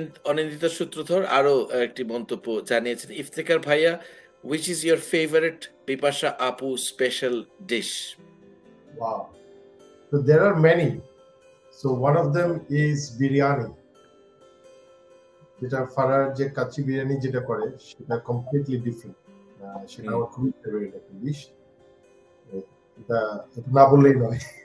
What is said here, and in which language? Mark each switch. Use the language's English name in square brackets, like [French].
[Bangla] অনিন্দিতা সূত্রধর আরো একটি মন্তব্য জানিয়েছেন, ইফতেকার ভাইয়া [English] Which is your favourite Bipasha আপু special dish? Wow. So there are many. So one of them is biryani. [Bangla] যেটা ফারার যে কাচ্চি বিরিয়ানি যেটা করে সেটা কমপ্লিটলি ডিফারেন্ট, সেটা আমার খুবই ফেভারিট একটা ডিশ, এটা না বললেই নয়।